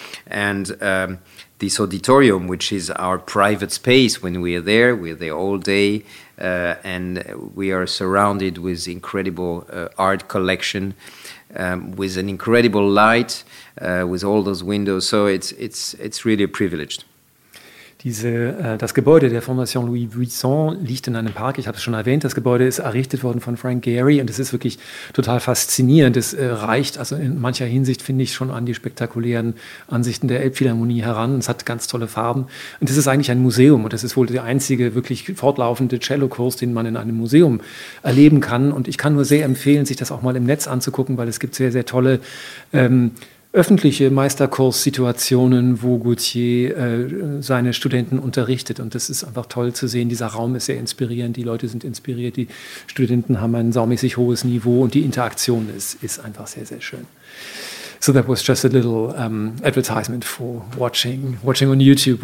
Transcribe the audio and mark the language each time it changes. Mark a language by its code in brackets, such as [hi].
[en] And this auditorium, which is our private space when we're there all day, and we are surrounded with incredible art collection, with an incredible light, with all those windows. So it's really a privilege. [de] Das Gebäude der Fondation Louis Vuitton liegt in einem Park. Ich habe es schon erwähnt, das Gebäude ist errichtet worden von Frank Gehry, und es ist wirklich total faszinierend. Es reicht also in mancher Hinsicht, finde ich, schon an die spektakulären Ansichten der Elbphilharmonie heran. Es hat ganz tolle Farben und es ist eigentlich ein Museum, und das ist wohl der einzige wirklich fortlaufende Cello-Kurs, den man in einem Museum erleben kann. Und ich kann nur sehr empfehlen, sich das auch mal im Netz anzugucken, weil es gibt sehr, sehr tolle öffentliche Meisterkurssituationen, wo Gautier seine Studenten unterrichtet. Und das ist einfach toll zu sehen. Dieser Raum ist sehr inspirierend. Die Leute sind inspiriert. Die Studenten haben ein saumäßig hohes Niveau. Und die Interaktion ist einfach sehr, sehr schön. [en] So that was just a little advertisement for watching on YouTube.